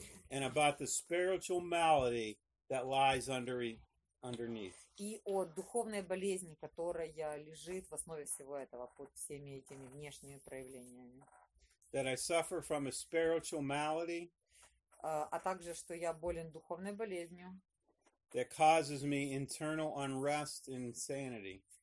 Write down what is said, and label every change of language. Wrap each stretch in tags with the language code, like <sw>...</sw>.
<en>And about the spiritual malady that lies underneath.</en> <ru>И о духовной болезни, которая лежит в основе всего этого, под всеми этими внешними проявлениями.</ru> <en>That I suffer from a spiritual malady</en> <ru>А также, что я болен духовной болезнью,</ru> <en>that causes me internal unrest and insanity.</en>